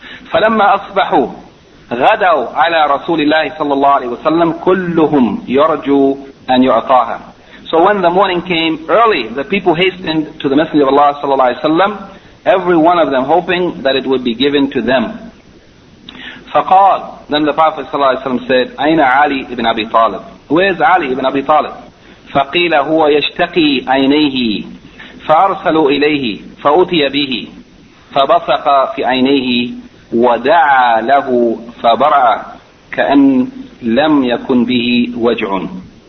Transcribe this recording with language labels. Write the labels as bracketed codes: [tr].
[ar] فَلَمَّا أَصْبَحُوا غَدَوْا عَلَى رَسُولِ اللَّهِ صَلَّى اللَّهُ عَلَيْهِ وَسَلَّمَ كُلُّهُمْ يَرْجُوا أَنْ يُعْطَاهَا. [en] So when the morning came early, the people hastened to the Messenger of Allah صلى الله عليه وسلم, every one of them hoping that it would be given to them. [ar] فقال, [en] then the Prophet [ar] صلى الله عليه وسلم [en] said, [ar] أَيْنَ عَلِي بن أَبِي طَالِب? [en] Where is Ali ibn Abi Talib? [ar] فَقِيلَ هُوَ يَشْتَقِي عَيْنَيْهِ فَأَرْسَلُوا إِلَيْهِ فَأُتِيَ بِهِ فَبَصَقَ فِي عَيْنَيْهِ وَدَعَى لَهُ فَبَرَعَ كَأَنْ لَمْ يَكُنْ بِهِ وَجْعٌ.